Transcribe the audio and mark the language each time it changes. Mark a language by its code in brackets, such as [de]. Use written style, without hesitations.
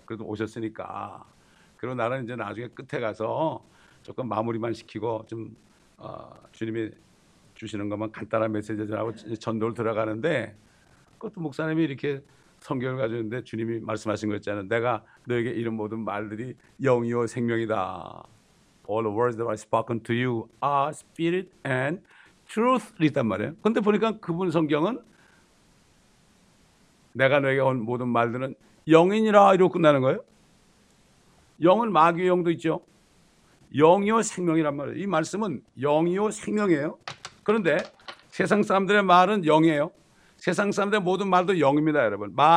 [ko] 그래도 오셨으니까. 그리고 나는 이제 나중에 끝에 가서 조금 마무리만 시키고 좀 주님이 주시는 것만 간단한 메시지를 하고 전도를 들어가는데 그것도 목사님이 이렇게 성경을 가지는데 주님이 말씀하신 거 있잖아요. 내가 너에게 이런 모든 말들이 영이요 생명이다. [en] All the words that are spoken to you are spirit and truth [ko] 이랬단 말이에요. 그런데 보니까 그분 성경은 내가 너에게 온 모든 말들은 영이니라 이러고 끝나는 거예요. 영은 마귀의 영도 있죠. 영이요 생명이란 말이에요. 이 말씀은 영이요 생명이에요. 그런데 세상 사람들의 말은 영이에요. 세상 사람들의 모든 말도 영입니다, 여러분.